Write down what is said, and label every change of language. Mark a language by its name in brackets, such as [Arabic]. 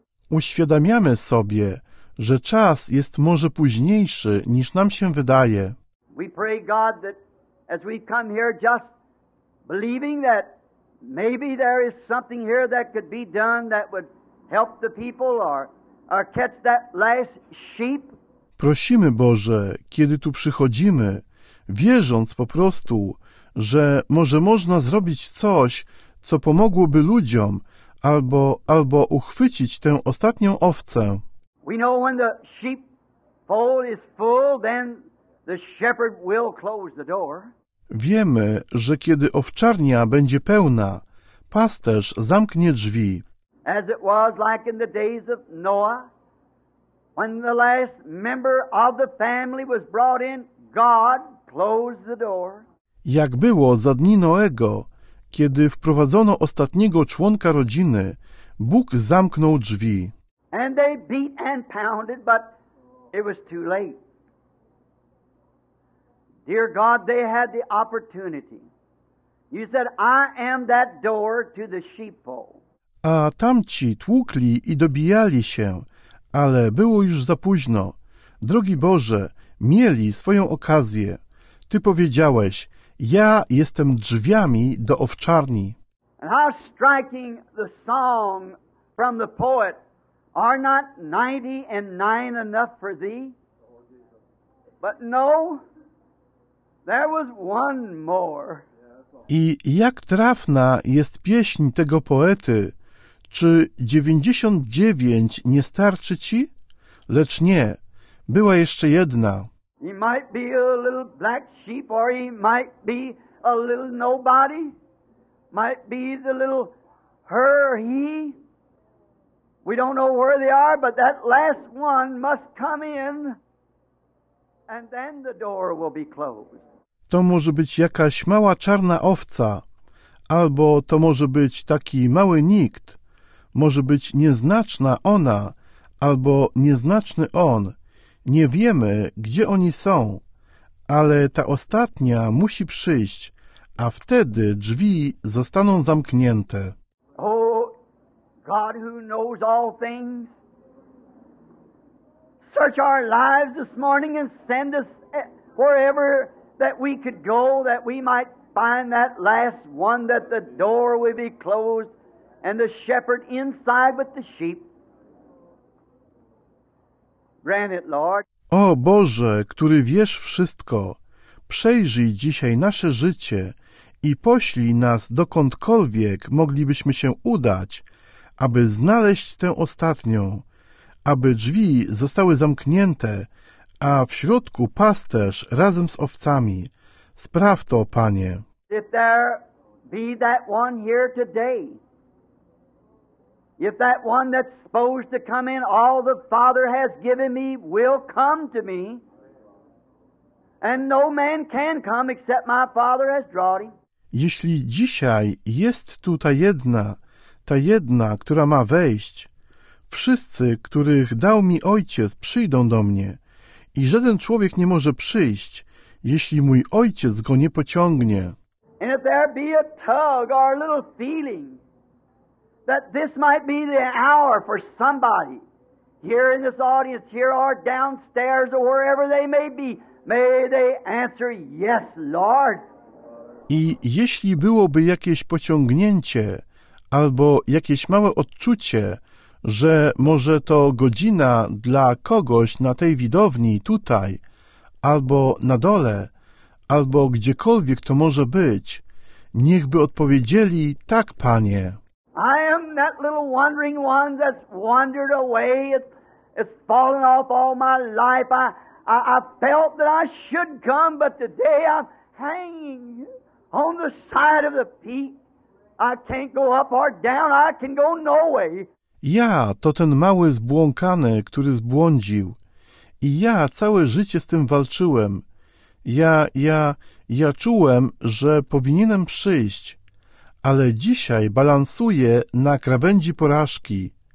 [Polish] Uświadamiamy sobie, że czas jest może późniejszy, niż nam się wydaje. [English] We pray God that as we come here just believing that maybe there is something here that could be done that would help the people or catch that last sheep. [Polish] Prosimy Boże, kiedy tu przychodzimy, wierząc po prostu, że może można zrobić coś, co pomogłoby ludziom, albo uchwycić tę ostatnią owcę. [English] We know when the sheepfold is full, then the shepherd will close the door. [Polish] Wiemy, że kiedy owczarnia będzie pełna, pasterz zamknie drzwi. [English] As it was like in the days of Noah, when the last member of the family was brought in, God closed the door. [Polish] Jak było za dni Noego, kiedy wprowadzono ostatniego członka rodziny, Bóg zamknął drzwi. [English] And they beat and pounded, but it was too late. Dear God, they had the opportunity. You said, I am that door to the sheepfold. [Polish] A tamci tłukli i dobijali się, ale było już za późno. Drogi Boże, mieli swoją okazję. Ty powiedziałeś, ja jestem drzwiami do owczarni. [English] And how striking the song from the poet, are not 99 enough for thee? But no... There was one more. [Polish] I jak trafna jest pieśń tego poety. Czy 99 nie starczy ci? Lecz nie, była jeszcze jedna. [English] He might be a little black sheep, or he might be a little nobody. Might be the little her or he. We don't know where they are, but that last one must come in. And then the door will be closed. [Polish] To może być jakaś mała czarna owca, albo to może być taki mały nikt, może być nieznaczna ona, albo nieznaczny on. Nie wiemy, gdzie oni są, ale ta ostatnia musi przyjść, a wtedy drzwi zostaną zamknięte. [English] O, God, who knows all things, search our lives this morning and send us wherever that we could go, that we might find that last one, that the door would be closed and the shepherd inside with the sheep. Grant it, Lord. [Polish] O Boże, który wiesz wszystko, przejrzyj dzisiaj nasze życie i poślij nas dokądkolwiek moglibyśmy się udać, aby znaleźć tę ostatnią, aby drzwi zostały zamknięte, a w środku pasterz razem z owcami. Spraw to, Panie. [English] If there be that one here today, if that one that's supposed to come in, all the Father has given me will come to me, and no man can come except my Father has drawn him. [Polish] Jeśli dzisiaj jest tu ta jedna, która ma wejść, wszyscy, których dał mi Ojciec, przyjdą do mnie. I żaden człowiek nie może przyjść, jeśli mój Ojciec go nie pociągnie. [English] And if there be a tug or a little feeling that this might be the hour for somebody here in this audience, here or downstairs or wherever they may they answer yes, Lord. [Polish] I jeśli byłoby jakieś pociągnięcie albo jakieś małe odczucie, że może to godzina dla kogoś na tej widowni tutaj, albo na dole, albo gdziekolwiek to może być, niechby odpowiedzieli tak, Panie. [English] I am that little wandering one that's wandered away. It's fallen off all my life. I felt that I should come, but today I'm hanging on the side of the peak. I can't go up or down. I can go no way. [Polish] Ja to ten mały zbłąkany, który zbłądził. I ja całe życie z tym walczyłem. Ja czułem, że powinienem przyjść. ale dzisiaj balansuję na krawędzi porażki.